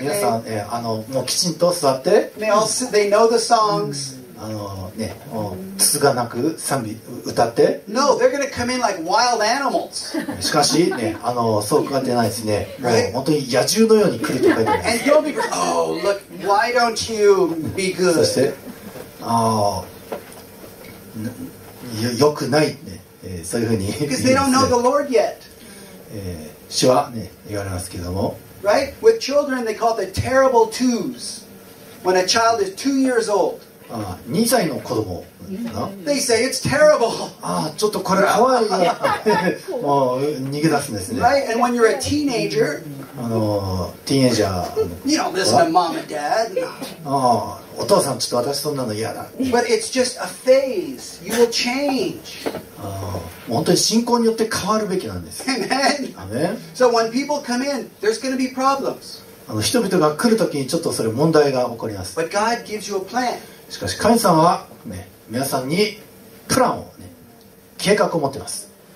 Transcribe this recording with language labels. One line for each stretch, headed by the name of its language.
Japanese: 皆さん、もうきちんと座って
English: they, all, they know the songs.
Japanese: ね、もうつつがなく賛美歌って
English: No, they're going to come in like wild animals.
Japanese: しかし、ね、そうかってないですね。もう本当に野獣のように来ると書いてあります。
English: And you'll be, oh, look, why don't you be good?
Japanese: そして、よくない、ね。そういうふうに。
English: Because they don't know the Lord yet.
Japanese: 主は、ね、言われますけども。
English: Right? With children, they call it the terrible twos. When a child is 2 years old.
Japanese: 2歳の子供。 They say it's terrible. ちょっとこれ怖いな。もう逃げ出すんですね。
English: Right? And when you're a teenager. Teenager. You don't listen to mom and dad.
Japanese: お父さん、ちょっと私そんなの嫌だ。
English: But it's just a phase. You will change.
Japanese: 本当に信仰によって変わるべきなんです。
English: Amen. So when people come in, there's going to be problems.
Japanese: 人々が来るときにちょっとそれ問題が起こります。
English: But God gives you a plan.
Japanese: しかし神様は、ね、皆さんにプランを、ね、計画を持っています。